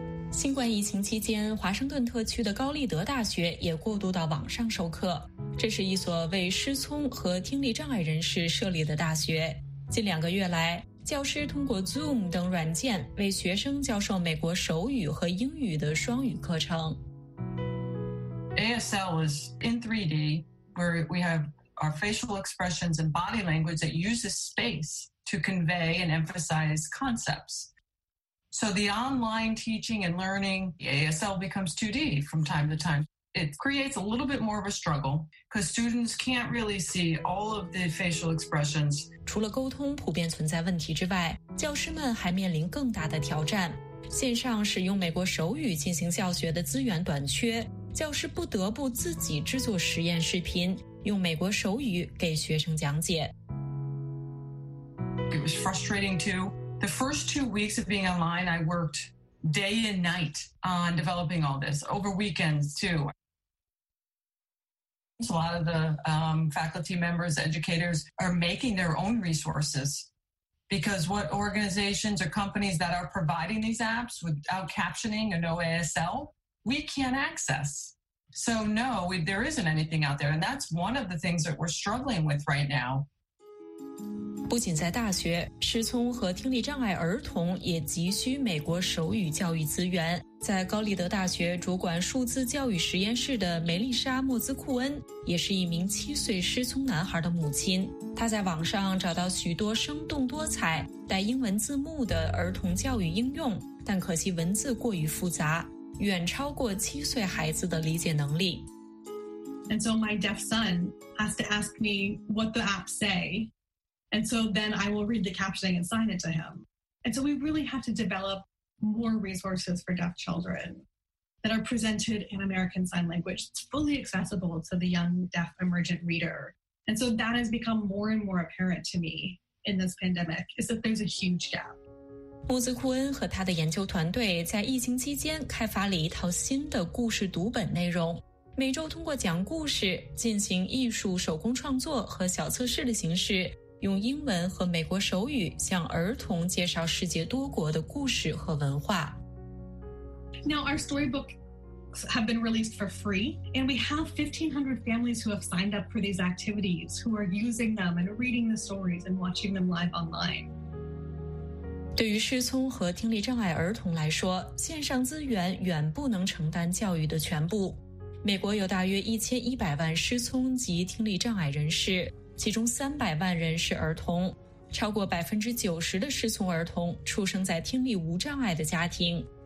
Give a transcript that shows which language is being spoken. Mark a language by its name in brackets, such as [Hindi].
[Chinese] 新冠疫情期间，华盛顿特区的高利德大学也过渡到网上授课，这是一所为失聪和听力障碍人士设立的大学。近两个月来，教师通过 Zoom 等软件为学生教授美国手语和英语的双语课程。 [English] ASL is in 3D, where we have our facial expressions and body language that uses space to convey and emphasize concepts. So the online teaching and learning, ASL becomes 2D from time to time. It creates a little bit more of a struggle because students can't really see all of the facial expressions. [Chinese] 除了沟通普遍存在问题之外，教师们还面临更大的挑战。线上使用美国手语进行教学的资源短缺，教师不得不自己制作实验视频，用美国手语给学生讲解。 [English] It was frustrating too. The first 2 weeks of being online, I worked day and night on developing all this, over weekends too. So a lot of the faculty members, educators are making their own resources because what organizations or companies that are providing these apps without captioning and no ASL, we can't access. So no, there isn't anything out there. And that's one of the things that we're struggling with right now. [Chinese] 不仅在大学，失聪和听力障碍儿童也急需美国手语教育资源。在高利德大学主管数字教育实验室的梅丽莎·莫兹库恩也是一名7岁失聪男孩的母亲。她在网上找到许多生动多彩、带英文字幕的儿童教育应用，但可惜文字过于复杂，远超过7岁孩子的理解能力。 [English] And so my deaf son has to ask me what the app say, and so then I will read the captioning and sign it to him. And so we really have to develop. More resources for deaf children that are presented in American Sign Language. It's fully accessible to the young deaf emergent reader. And so that has become more and more apparent to me in this pandemic, is that there's a huge gap. [Chinese] 穆兹库恩和他的研究团队在疫情期间开发了一套新的故事读本内容，每周通过讲故事、进行艺术手工创作和小测试的形式，用英文和美国手语向儿童介绍世界多国的故事和文化。 [English] Now our storybook have been released for free, and we have 1,500 families who have signed up for these activities, who are using them and reading the stories and watching them live online. [Chinese] 对于失聪和听力障碍儿童来说，线上资源远不能承担教育的全部。美国有大约1100万失聪及听力障碍人士，其中300万人是儿童，超过90%的失聪儿童出生在听力无障碍的家庭。